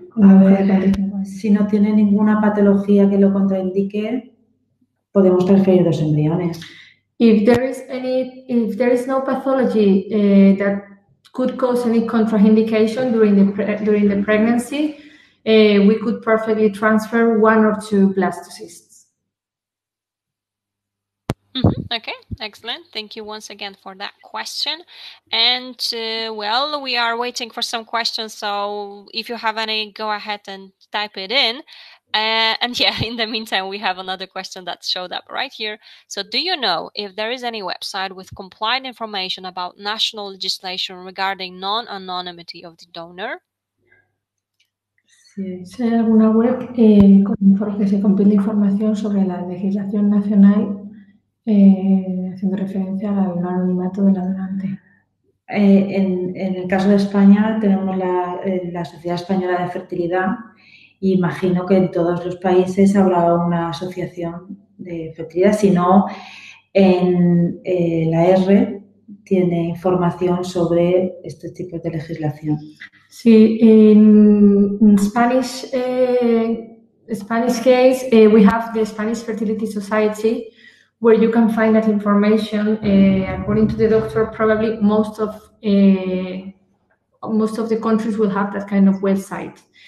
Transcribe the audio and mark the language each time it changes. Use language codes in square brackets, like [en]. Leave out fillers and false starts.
[es] A ver, si no tiene ninguna patología que lo contraindique, podemos transferir dos embriones. [en] If there is no pathology that could cause any contraindication during the pregnancy, we could perfectly transfer one or two blastocysts. Mm-hmm. Okay, excellent. Thank you once again for that question. And we are waiting for some questions. So if you have any, go ahead and type it in. In the meantime, we have another question that showed up right here. So do you know if there is any website with compliant information about national legislation regarding non-anonymity of the donor? [es] Sí, hay alguna web que se compila información sobre la legislación nacional haciendo referencia al anonimato del donante. En el caso de España, tenemos la Sociedad Española de Fertilidad. Imagino que en todos los países habrá una asociación de fertilidad, si no, en la R tiene información sobre este tipo de legislación. [en] Sí, in Spanish case, we have the Spanish Fertility Society, where you can find that information. According to the doctor, probably most of the countries will have that kind of website.